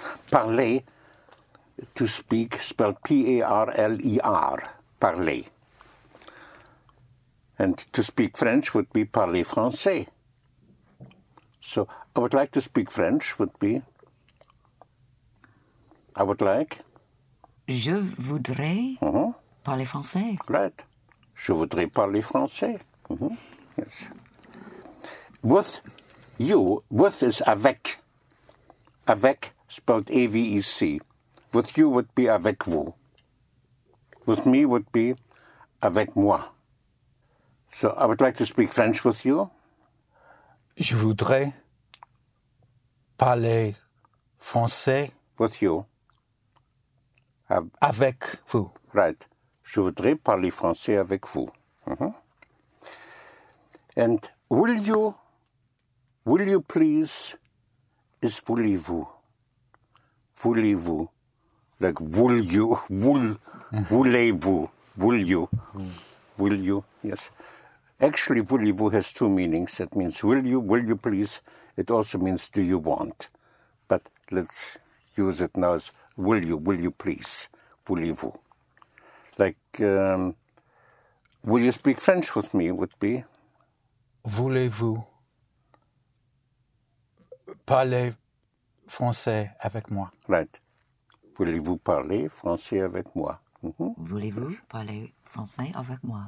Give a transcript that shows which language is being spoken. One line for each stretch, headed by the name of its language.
English: Parler, to speak, spelled P-A-R-L-E-R, parler. And to speak French would be
French: parler français.
English: So I would like to speak French would be. I would like.
French: Je voudrais parler français.
English: Right.
French: Je voudrais parler français.
English: Mm-hmm. Yes. With you, with is avec. Avec, spelled A-V-E-C. With you would be
French: avec vous.
English: With me would be
French: avec moi.
English: So I would like to speak French with you.
French: Je voudrais parler français.
English: With you.
French: Avec vous.
English: Right.
French: Je voudrais parler français avec vous.
English: Mm-hmm. And will you please, is
French: voulez-vous. Voulez-vous.
English: Like, will you,
French: voulez-vous,
English: will you, will you, yes. Actually, voulez-vous has two meanings. That means, will you please. It also means, do you want. But let's use it now as, will you please,
French: voulez-vous.
English: Like, will you speak French with me, would be?
French: Voulez-vous parler français avec moi.
English: Right.
French: Voulez-vous parler français avec moi?
English: Mm-hmm.
French: Voulez-vous parler français avec moi?